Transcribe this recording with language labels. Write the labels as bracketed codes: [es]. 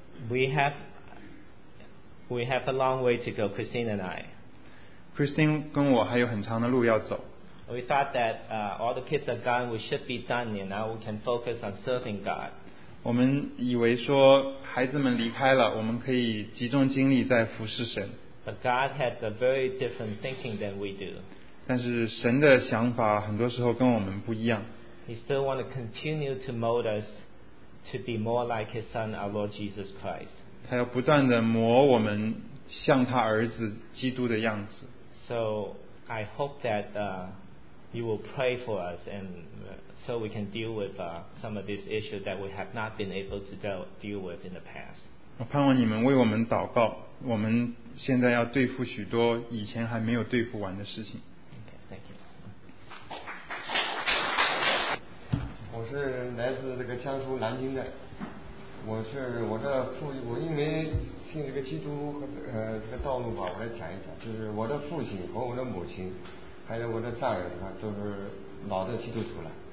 [en] We have a long way to go, Christine and I. [zh] Christine 跟我还有很长的路要走. [en] We thought that all the kids are gone, we should be done, and now we can focus on serving God. [zh] 我们以为说孩子们离开了，我们可以集中精力在服侍神. [en] But God had a very different thinking than we do. [zh] 但是神的想法很多时候跟我们不一样. [en] He still wants to continue to mold us to be more like his son, our Lord Jesus Christ. [zh] 他要不断地磨我们像他儿子基督的样子。 [en] So I hope that you will pray for us and so we can deal with some of these issues that we have not been able to deal with in the past. [zh] 我盼望你们为我们祷告, 我们现在要对付许多以前还没有对付完的事情。 [en] Okay, thank you. [zh] 我是来自这个江苏南京的，我因为信这个基督和这个道路吧，我来讲一讲，就是我的父亲和我的母亲，还有我的丈人啊，都是老的基督徒了。